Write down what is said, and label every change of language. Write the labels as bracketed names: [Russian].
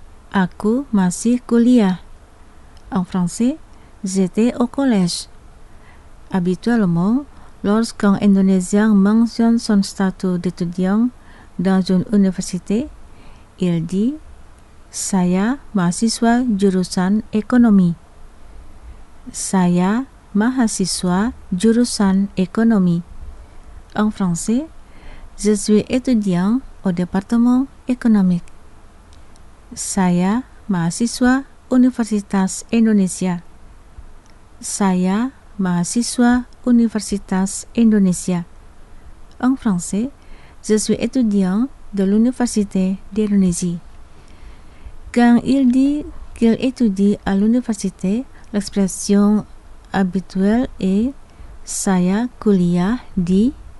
[Indonesian] Aku masih kuliah. [French] En français, j'étais au collège. Habituellement, lorsqu'un Indonésien mentionne son statut d'étudiant dans une université, il dit, [Indonesian] saya mahasiswa jurusan ekonomi. Saya mahasiswa jurusan ekonomi. [French] En français, je suis étudiant au département économique. [Indonesian] Saya mahasiswa Universitas Indonesia. Saya mahasiswa Universitas Indonesia. [French] En français, je suis étudiant de l'Université d'Indonésie. Quand il dit qu'il étudie à l'université, l'expression habituelle est [Indonesian] saya kuliah di.